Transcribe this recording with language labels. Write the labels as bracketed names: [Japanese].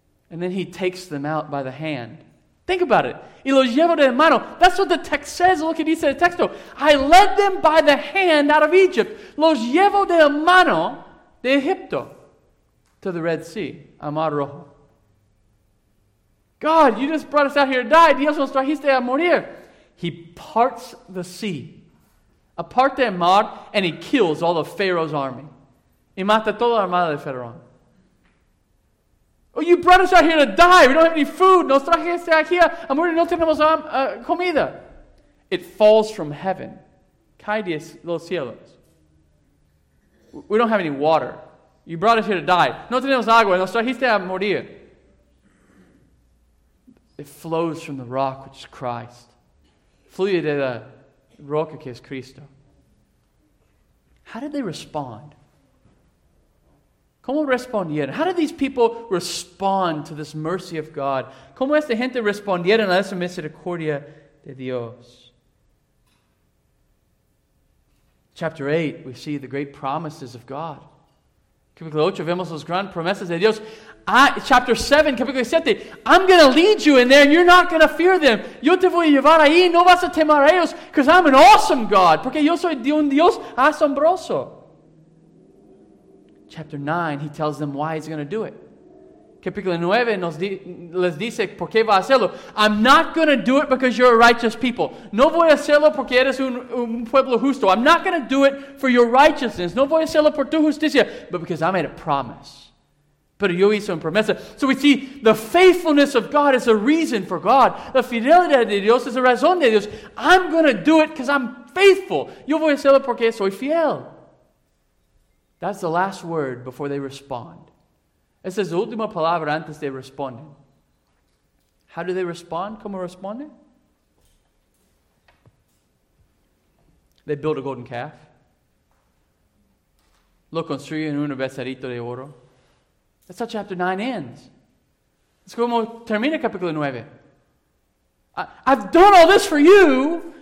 [English] And then He takes them out by the hand. Think about it. [Spanish] Y los llevo de mano. [English] That's what the text says. Look at [Spanish] dice el texto. [English] I led them by the hand out of Egypt. [Spanish] Los llevo de mano de Egipto. [English] To the Red Sea. [Spanish] Amar Rojo. [English] God, you just brought us out here to die. [Spanish] Dios nos trajiste a morir. [English] He parts the sea. [Spanish] Aparte el mar, [English] and He kills all of Pharaoh's army. [Spanish] Y mata toda la armada de Pharaoh. [English] Oh, you brought us out here to die. We don't have any food. [Spanish] Nos trajiste aquí a morir. No tenemos comida. [English] It falls from heaven. [Spanish] Cae de los cielos. [English] We don't have any water. You brought us here to die. [Spanish] No tenemos agua, nos trajiste a morir. [English] It flows from the rock, which is Christ. [Spanish] Fluye de la roca, que es Cristo. [English] How did they respond? [Spanish] ¿Cómo respondieron? [English] How did these people respond to this mercy of God? [Spanish] ¿Cómo esta gente respondieron a esa misericordia de Dios? [English] Chapter 8, we see the great promises of God. [Spanish] Capítulo 8, vemos las grandes promesas de Dios. [English] Chapter 7, capítulo 7, I'm going to lead you in there and you're not going to fear them. [Spanish] Yo te voy a llevar ahí y no vas a temer a ellos [English] because I'm an awesome God. [Spanish] Porque yo soy un Dios asombroso. [English] Chapter 9, he tells them why he's going to do it. [Spanish] Capítulo 9 les dice por qué va a hacerlo. [English] I'm not going to do it because you're a righteous people. [Spanish] No voy a hacerlo porque eres un pueblo justo. [English] I'm not going to do it for your righteousness. [Spanish] No voy a hacerlo por tu justicia, [English] but because I made a promise. [Spanish] Pero yo hice una promesa. [English] So we see the faithfulness of God is a reason for God. [Spanish] La fidelidad de Dios es la razón de Dios. [English] I'm going to do it because I'm faithful. [Spanish] Yo voy a hacerlo porque soy fiel. [English] That's the last word before they respond. [Spanish] Esa es la última palabra antes de responder. [English] How do they respond? [Spanish] ¿Cómo responden? [English] They build a golden calf. [Spanish] Lo construyen un becerrito de oro. [English] That's how chapter 9 ends. [Spanish] Es como termina capítulo 9. [English] I've done all this for you.